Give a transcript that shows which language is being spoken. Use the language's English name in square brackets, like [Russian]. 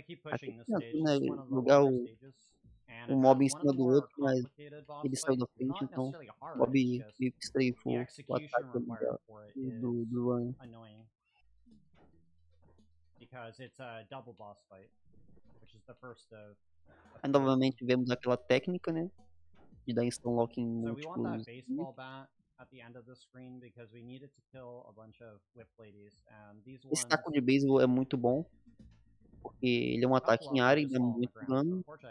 [Portuguese] Aqui, né, jogar o mob em cima do outro, mas ele saiu da frente, então o mob meio que strafou o ataque do Ryan. [English] Because it's a double boss fight, which is the first of. [Portuguese] And novamente vemos aquela técnica, né, de dar stun lock em múltiplos. [English] So we want that baseball bat at the end of the screen because we needed to kill a bunch of whip ladies. And these ones. [Portuguese] Esse taco de beisebol é muito bom, porque ele é um ataque em área e dá muito dano.